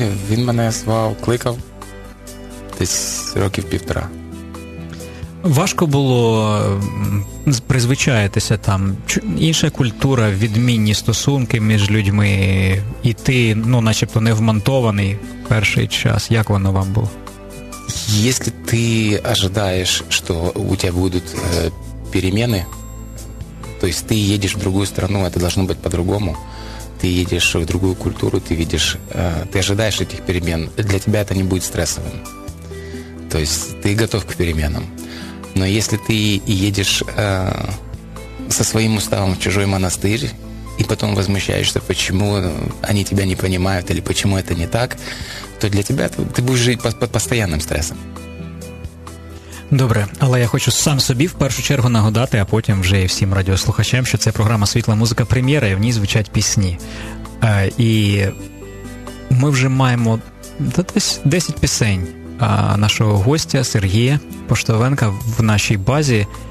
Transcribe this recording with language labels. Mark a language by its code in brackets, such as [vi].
[uk] Він мене звав, кликав десь років півтора. Важко було призвичаєтися там. Інша культура, відмінні стосунки між людьми, і ти, ну, начебто, не вмонтований перший час. Як воно вам було? [ru] Если ты ожидаешь, что у тебя будут перемены, то есть ты едешь в другую страну, это должно быть по-другому, ты едешь в другую культуру, ты видишь, ты ожидаешь этих перемен, для тебя это не будет стрессовым. То есть ты готов к переменам. Но если ты едешь со своим уставом в чужой монастырь, и потом возмущаешься, почему они тебя не понимают или почему это не так, то для тебя ты будешь жить под постоянным стрессом. [uk] Добре, але я хочу сам собі в першу чергу нагадати, а потім вже і всім радіослухачам, що це програма «Світла музика прем'єра», і в ній звучать пісні. І ми вже маємо десь 10 пісень нашого гостя Сергія Поштовенка в нашій базі.